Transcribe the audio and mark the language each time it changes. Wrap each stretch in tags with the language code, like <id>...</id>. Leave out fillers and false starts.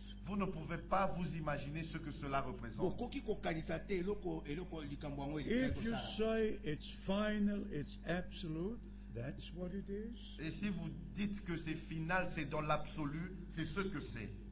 <fr>Vous ne pouvez pas vous imaginer ce que cela représente.</fr> <en>If you say it's final, it's absolute, that's what it is.</en> <fr>Et si vous dites que c'est final, c'est dans l'absolu, c'est ce que c'est.</fr>